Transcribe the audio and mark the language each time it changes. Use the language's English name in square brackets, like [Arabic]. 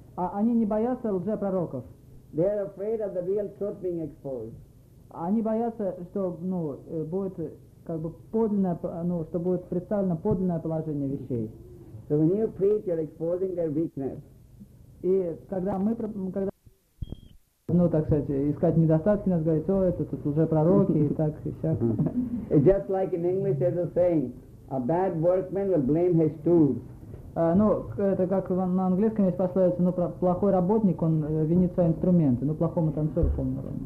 [Russian] Они не боятся лжепророков. [English] They are afraid of the real truth being exposed. [Russian] Они боятся, что, будет... как бы подлинное, что будет представлено подлинное положение вещей. [English] So when you preach, you're exposing their weakness. [Russian] И когда мы, искать недостатки, нас говорит, это тут уже пророки и так и сяк. [English] It's just like in English there's a saying, a bad workman will blame his tools. [Russian] Это как на английском есть пословица, плохой работник, он винит свои инструменты, плохому танцору, помню.